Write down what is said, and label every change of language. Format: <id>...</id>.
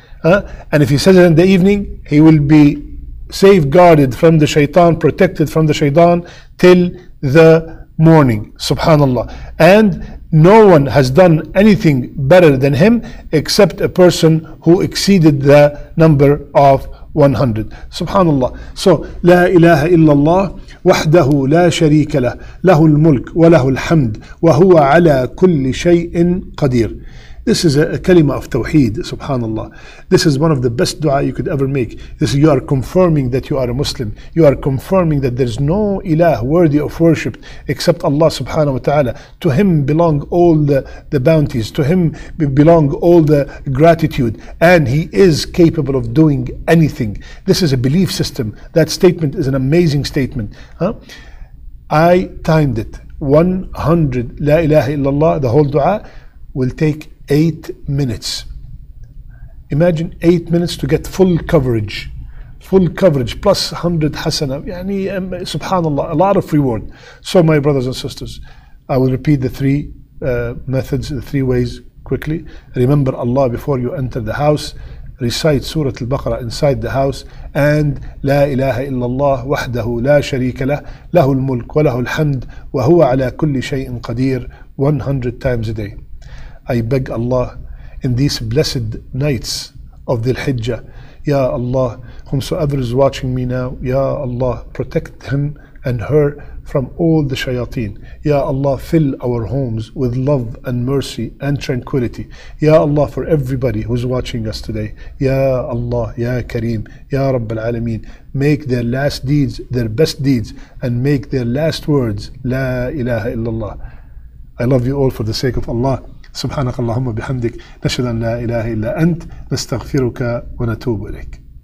<en>And if he says it in the evening, he will be safeguarded from the shaitan, protected from the shaitan till the morning. Subhanallah. And no one has done anything better than him except a person who exceeded the number of 100. Subhanallah.</en> <ar>So, لا إله إلا الله وحده لا شريك له له الملك وله الحمد وهو على كل شيء قدير.</ar> <en>This is a kalima of tawheed, subhanallah. This is one of the best dua you could ever make. This is, you are confirming that you are a Muslim. You are confirming that there is no ilah worthy of worship except Allah subhanahu wa ta'ala. To him belong all the bounties. To him belong all the gratitude. And he is capable of doing anything. This is a belief system. That statement is an amazing statement. Huh? I timed it. 100 la ilaha illallah, the whole dua, will take 8 minutes. Imagine 8 minutes to get full coverage. Full coverage plus 100 hasana. Yani, subhanallah, a lot of reward. So my brothers and sisters, I will repeat the three methods, the three ways quickly. Remember Allah before you enter the house. Recite Surah Al-Baqarah inside the house.</en> <ar>And لا إله إلا الله وحده لا شريك له له الملك وله الحمد وهو على كل شيء قدير</ar> <en>100 times a day. I beg Allah in these blessed nights of Dhul Hijjah, Ya Allah, whomsoever is watching me now, Ya Allah, protect him and her from all the shayateen. Ya Allah, fill our homes with love and mercy and tranquility. Ya Allah, for everybody who's watching us today, Ya Allah, Ya Kareem, Ya Rabbil Alameen, make their last deeds their best deeds, and make their last words, La ilaha illallah. I love you all for the sake of Allah.</en> <ar>سبحانك اللهم وبحمدك نشهد أن لا إله إلا أنت نستغفرك ونتوب إليك.</ar>